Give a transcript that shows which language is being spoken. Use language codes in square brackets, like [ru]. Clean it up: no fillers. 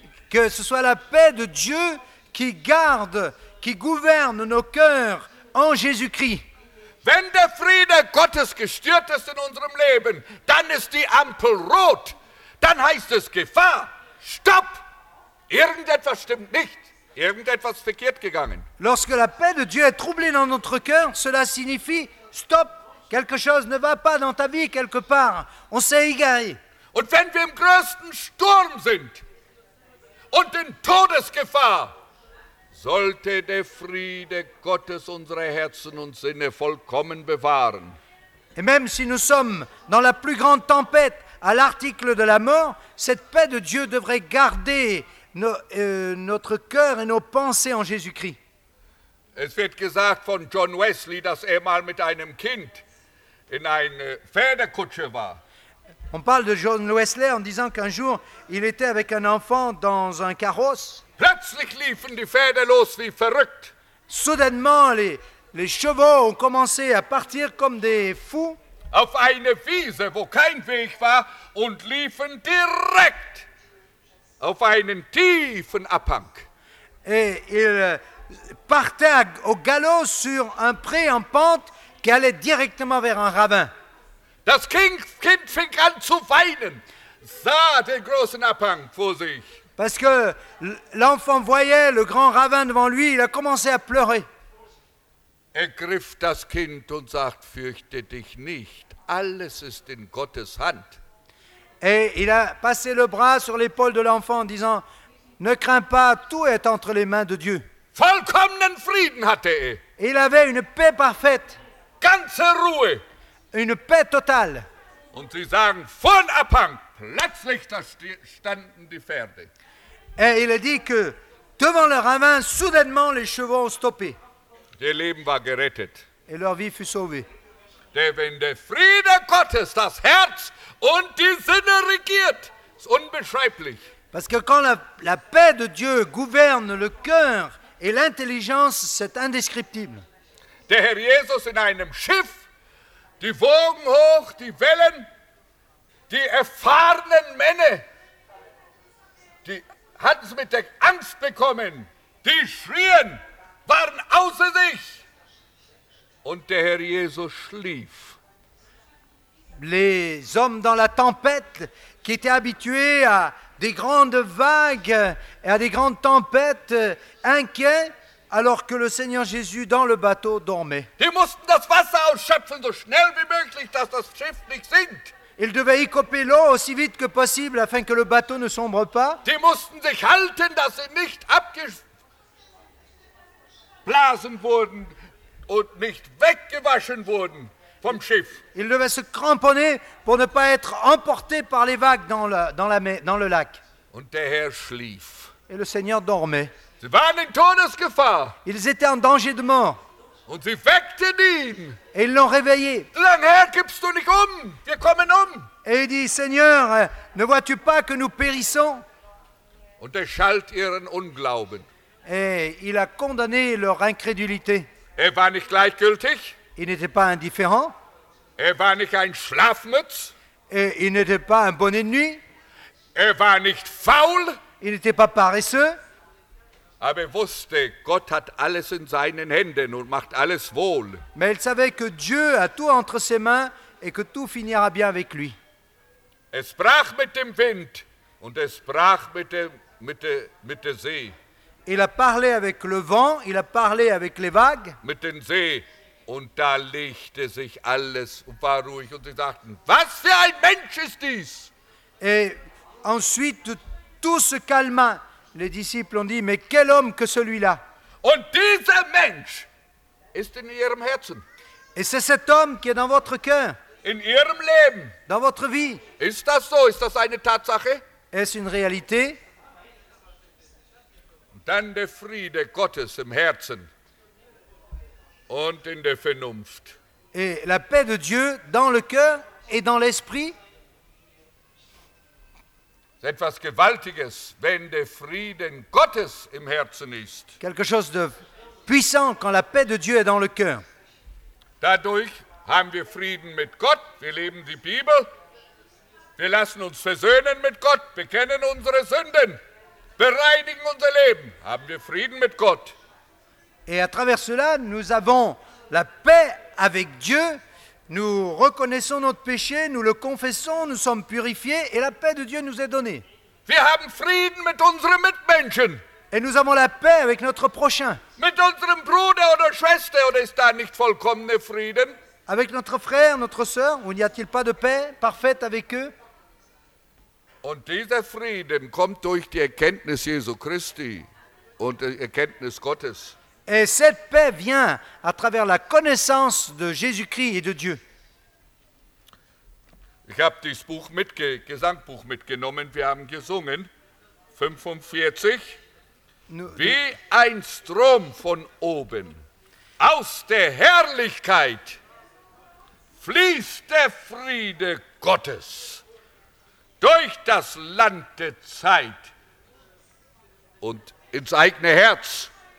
[fr] Que ce soit la paix de Dieu qui garde, qui gouverne nos cœurs en Jésus-Christ. [de] Wenn der Friede Gottes gestört ist in unserem Leben, dann ist die Ampel rot. Dann heißt es Gefahr, stopp, irgendetwas stimmt nicht. Irgendetwas verkehrt gegangen. [fr] Lorsque la paix de Dieu est troublée dans notre cœur, cela signifie stop, quelque chose ne va pas dans ta vie quelque part. On s'est égaré. [de] Und wenn wir im größten Sturm sind und in Todesgefahr, sollte der Friede Gottes unsere Herzen und Sinne vollkommen bewahren. [fr] Et même si nous sommes dans la plus grande tempête, à l'article de la mort, cette paix de Dieu devrait garder notre cœur et nos pensées en Jésus-Christ. [de] Es wird gesagt von John Wesley, dass mal mit einem Kind in eine Pferdekutsche war. [fr] On parle de John Wesley en disant qu'un jour il était avec un enfant dans un carrosse. [de] Plötzlich liefen die Pferde los wie verrückt. [fr] Soudainement les chevaux ont commencé à partir comme des fous. [de] Auf eine Wiese, wo kein Weg war und liefen direkt auf einen tiefen Abhang. [fr] Et il partait au galop sur un pré en pente qui allait directement vers un ravin. [de] Das Kind fing an zu weinen, sah den großen Abhang vor sich. [fr] Parce que l'enfant voyait le grand ravin devant lui, il a commencé à pleurer. [de] Ergriff das Kind und sagt, fürchte dich nicht, alles ist in Gottes Hand. [fr] Et il a passé le bras sur l'épaule de l'enfant en disant, ne crains pas, tout est entre les mains de Dieu. [de] Vollkommenen Frieden hatte er. [fr] Il avait une paix parfaite. [de] Ganze Ruhe. [fr] Une paix totale. [de] Und sie sagen, von Abhang, plötzlich da standen die Pferde. [fr] Et il a dit que devant le ravin, soudainement, les chevaux ont stoppé. [de] Ihr Leben war gerettet. [fr] Et leur vie fut sauvée. [de] Denn wenn der Friede Gottes das Herz und die Sinne regiert, ist unbeschreiblich. [fr] Parce que quand la paix de Dieu gouverne le cœur et l'intelligence, c'est indescriptible. [de] Der Herr Jesus in einem Schiff, die Wogen hoch, die Wellen, die erfahrenen Männer, die hatten es mit der Angst bekommen, die schrien, waren außer sich. Und der Herr Jesus schlief. [fr] Les hommes dans la tempête, qui étaient habitués à des grandes vagues et à des grandes tempêtes, inquiets, alors que le Seigneur Jésus dans le bateau dormait. [de] Die mussten das Wasser ausschöpfen, so schnell wie möglich, dass das Schiff nicht sinkt. [fr] Ils devaient écoper l'eau aussi vite que possible afin que le bateau ne sombre pas. [de] Die mussten sich halten, dass sie nicht abgeblasen wurden. und nicht weggewaschen wurden vom Schiff. [fr] Il devait se cramponner pour ne pas être emporté par les vagues dans le lac. [de] Und der Herr schlief. [fr] Et le Seigneur dormait. [de] Sie waren in Todesgefahr. [fr] Ils étaient en danger de mort. [de] Und sie weckten ihn. [fr] Et ils l'ont réveillé. [de] Lang her, gibst du nicht um. Wir kommen um. [fr] Et il dit, Seigneur, ne vois-tu pas que nous périssons? [de] Und er schalt ihren Unglauben. [fr] Et il a condamné leur incrédulité. [de] Er war nicht gleichgültig. [fr] Il n'était pas indifférent. [de] Er war nicht ein Schlafmütz. [fr] Et il n'était pas un bonnet de nuit. [de] Er war nicht faul. [fr] Il n'était pas paresseux. [de] Aber er wusste, Gott hat alles in seinen Händen und macht alles wohl. [fr] Mais il savait que Dieu a tout entre ses mains et que tout finira bien avec lui. [de] Es brach mit dem Wind und es brach mit der See. [fr] Il a parlé avec le vent, il a parlé avec les vagues. [de] Mit den See und da legte sich alles und war ruhig und sie sagten, was für ein Mensch ist dies? [fr] Et ensuite tout se calma. Les disciples ont dit, mais quel homme que celui-là? [de] Und dieser Mensch ist in ihrem Herzen. [fr] Et c'est cet homme qui est dans votre cœur. [de] In ihrem Leben. [fr] Dans votre vie. [de] Ist das so? Ist das eine Tatsache? [fr] Est-ce une réalité? [de] Dann der Friede Gottes im Herzen und in der Vernunft. [fr] Et la paix de Dieu dans le cœur et dans l'esprit. C'est [de] etwas Gewaltiges, wenn der Frieden Gottes im Herzen ist. [fr] Quelque chose de puissant quand la paix de Dieu est dans le cœur. [de] Dadurch haben wir Frieden mit Gott, wir leben die Bibel, wir lassen uns versöhnen mit Gott, bekennen unsere Sünden, bereinigen unser Leben, haben wir Frieden mit Gott. [fr] Et à travers cela, nous avons la paix avec Dieu. Nous reconnaissons notre péché, nous le confessons, nous sommes purifiés et la paix de Dieu nous est donnée. [de] Wir haben Frieden mit unseren Mitmenschen. [fr] Et nous avons la paix avec notre prochain. [de] Mit unserem Bruder oder Schwester, oder ist da nicht vollkommener Frieden? [fr] Avec notre frère, notre sœur, ou n'y a-t-il pas de paix parfaite avec eux? [de] Und dieser Frieden kommt durch die Erkenntnis Jesu Christi und die Erkenntnis Gottes. [fr] Et cette paix vient à travers la connaissance de Jésus-Christ et de Dieu. [de] Ich habe dieses Buch Gesangbuch mitgenommen. Wir haben gesungen 45. Wie ein Strom von oben aus der Herrlichkeit fließt der Friede Gottes durch das Land der Zeit und ins eigene Herz.